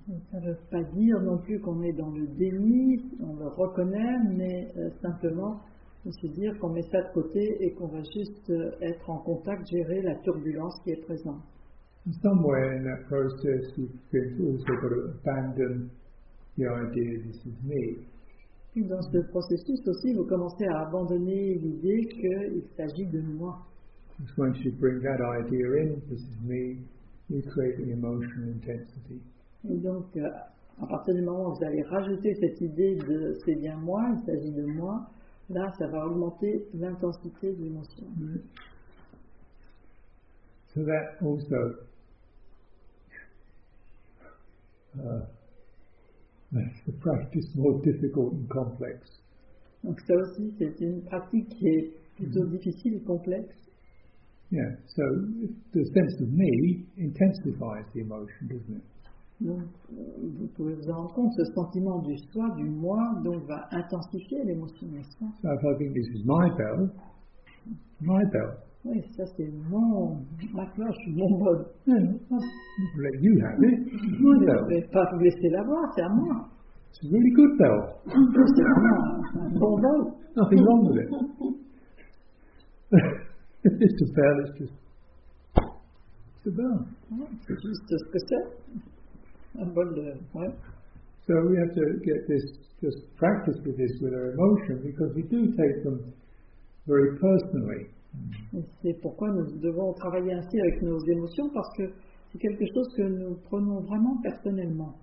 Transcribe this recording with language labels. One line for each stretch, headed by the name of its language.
French: Ça ne veut pas dire non plus qu'on est dans le déni, on le reconnaît, mais simplement, c'est dire qu'on met ça de côté et qu'on va juste être en contact, gérer la turbulence qui est présente.
English: In some way, in that process, you've also got to abandon the idea this is me.
French: Puis dans ce processus aussi, vous commencez à abandonner l'idée qu'il s'agit de moi.
English: Because once you bring that idea in, this is me, you create an emotional intensity.
French: Et donc, à partir du moment où vous allez rajouter cette idée de c'est bien moi, il s'agit de moi, là, ça va augmenter l'intensité de l'émotion.
English: So that also makes the practice more difficult and complex.
French: Donc ça aussi, c'est une pratique qui est plutôt difficile et complexe.
English: Yeah, so the sense of me intensifies the emotion, doesn't it?
French: Donc, vous pouvez vous en rendre compte, ce sentiment du soi, du moi, donc va intensifier l'émotion, n'est-ce pas?
English: So if I think this is my bell, my bell.
French: Oui, ça c'est mon, ma cloche, mon bol.
English: Let you have it, my bell.
French: Je ne vais pas vous laisser l'avoir, c'est à moi.
English: It's a really good bell.
French: C'est vraiment un bon bol.
English: Nothing wrong with it. It's just a bell, it's just... It's a bell.
French: C'est juste ce que c'est. Un bol de... Ouais.
English: So we have to get this, just practice with this, with our emotion, because we do take them very personally.
French: Et c'est pourquoi nous devons travailler ainsi avec nos émotions, parce que c'est quelque chose que nous prenons vraiment personnellement.